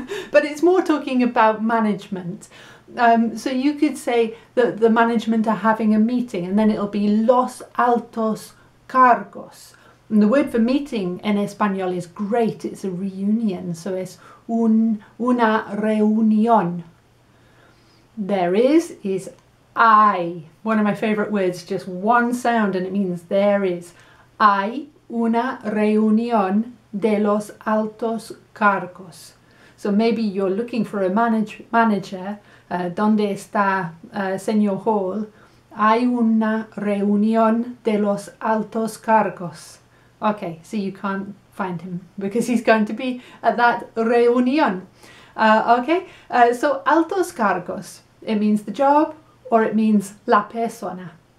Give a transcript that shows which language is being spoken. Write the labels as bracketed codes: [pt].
[en] But it's more talking about management. So you could say that the management are having a meeting and then it'll be [es] los altos cargos. [en] And the word for meeting in Espanol is great. It's a reunion. So it's [es] una reunión. [en] There is hay. One of my favorite words, just one sound and it means there is. [es] Hay una reunión de los altos cargos. [en] So maybe you're looking for a manager. [es] ¿Dónde está Señor Hall? Hay una reunión de los altos cargos. [en] Okay, so you can't find him because he's going to be at that reunión. So altos cargos. It means the job or it means [es] la persona.